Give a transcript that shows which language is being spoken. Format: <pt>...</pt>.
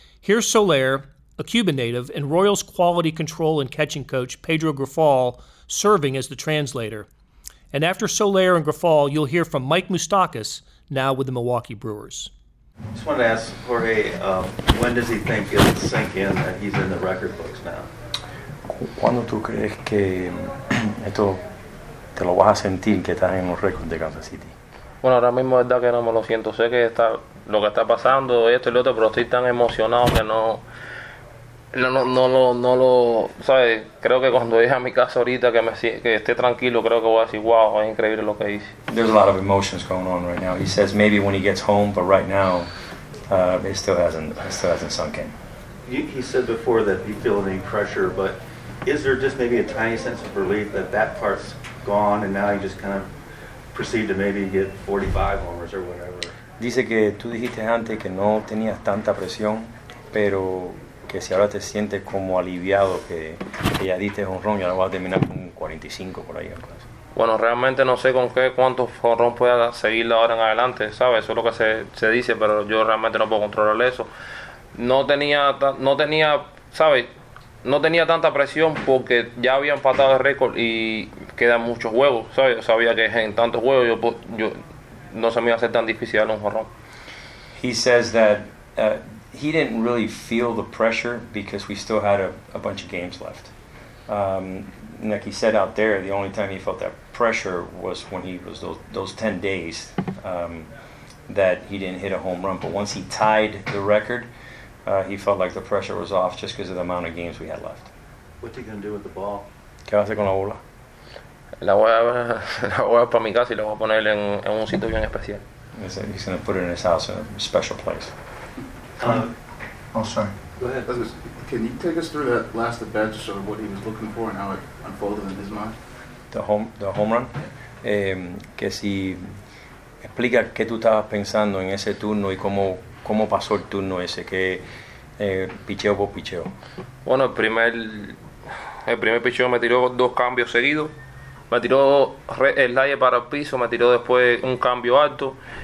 <en>Here's Soler, a Cuban native, and Royals quality control and catching coach Pedro Grifol serving as the translator. And after Soler and Grifol, you'll hear from Mike Moustakas, now with the Milwaukee Brewers. I just wanted to ask Jorge, when does he think it'll sink in that he's in the record books now?</en> <es>¿Cuándo tú crees que esto te lo vas a sentir que estás en los récords de Kansas City? Bueno, ahora mismo es verdad que no me lo siento. Sé que está lo que está pasando, esto y lo otro, pero estoy tan emocionado que no lo, ¿sabes? Creo que cuando llegue a mi casa ahorita que esté tranquilo, creo que voy a decir, wow, es increíble lo que hice.</es> <en>There's a lot of emotions going on right now. He says maybe when he gets home, but right now it still hasn't sunk in. He said before that he feels any pressure, but is there just maybe a tiny sense of relief that that part's gone and now you just kind of proceed to maybe get 45 homers or whatever?</en> <es>Dice que tú dijiste antes que no tenías tanta presión, pero que si ahora te sientes como aliviado que ya diste jonrón, ya no vas a terminar con 45 por ahí. Bueno, realmente no sé con qué, cuántos jonrón pueda seguir de ahora en adelante, ¿sabes? Eso es lo que se dice, pero yo realmente no puedo controlar eso. No tenía, ¿sabes? No tenía tanta presión porque ya había empatado el récord y quedan muchos juegos, ¿sabes? Yo sabía que en tantos juegos yo no se me iba a hacer tan difícil dar un jonrón.</es> <en>He says that he didn't really feel the pressure because we still had a bunch of games left. Like he said out there, the only time he felt that pressure was when he was those 10 days that he didn't hit a home run. But once he tied the record, he felt like the pressure was off just because of the amount of games we had left. What's he going to do with the ball?</en> <es>¿Qué va a hacer con la bola? La voy a para mi casa y la voy a poner en un sitio bien especial.</es> <en>He's going to put it in his house in a special place. Go ahead. Can you take us through that last at bat, sort of what he was looking for and how it unfolded in his mind? The home run.</en> <es>Que si explica qué tú estabas pensando en ese turno y cómo pasó el turno ese, que picheo por picheo. Bueno, el primer picheo me tiró dos cambios seguidos. Me tiró el slider para el piso, me tiró después un cambio alto.</es>